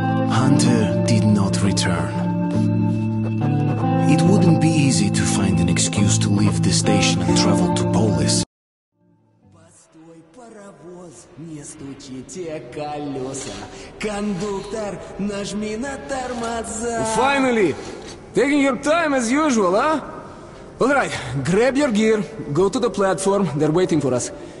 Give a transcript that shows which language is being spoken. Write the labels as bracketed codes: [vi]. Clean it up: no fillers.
[en] Hunter did not return. It wouldn't be easy to find an excuse to leave the station and travel to Polis. [ru] Постой, паровоз, не стучите колеса. Кондуктор, нажми на тормоза. [en] Finally! Taking your time as usual, huh? All right, grab your gear, go to the platform, they're waiting for us.